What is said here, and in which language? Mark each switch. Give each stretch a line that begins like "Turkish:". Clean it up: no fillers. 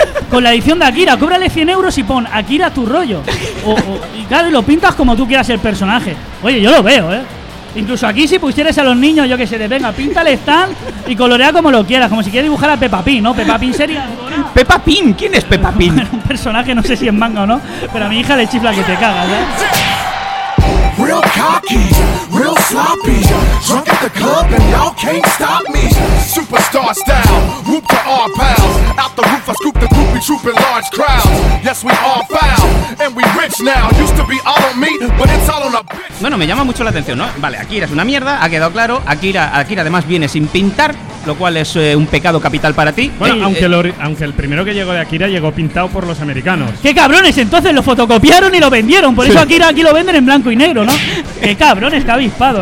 Spanish: Con la edición de Akira, cóbrale 100 euros y pon Akira tu rollo. Y claro, y lo pintas como tú quieras el personaje. Oye, yo lo veo, ¿eh? Incluso aquí, si pusieras a los niños, yo que sé, de venga, píntale stand y colorea como lo quieras, como si quieres dibujar a Peppa Pig, ¿no? Peppa Pig sería. ¿Peppa Pig? ¿Quién es Peppa Pig? Un personaje, no sé si es manga o no, pero a mi hija le chifla que te cagas, ¿eh?
English: Real cocky, real sloppy, drunk at the club and y'all can't stop me. Superstar style, whoop to our pals, out the roof I scoop the groupie trooping large crowds. Yes we all foul, and we rich now, used to be all on me, but it's all on a bitch.
Spanish: Bueno, me llama mucho la atención, ¿no? Vale, Akira es una mierda, ha quedado claro. Akira además viene sin pintar, lo cual es un pecado capital para ti. Bueno, aunque el primero que llegó de Akira llegó pintado por los americanos. ¡Qué cabrones! Entonces lo fotocopiaron y lo vendieron. Por eso Akira aquí lo venden en blanco y negro, ¿no? ¡Qué cabrones! ¡Qué avispado!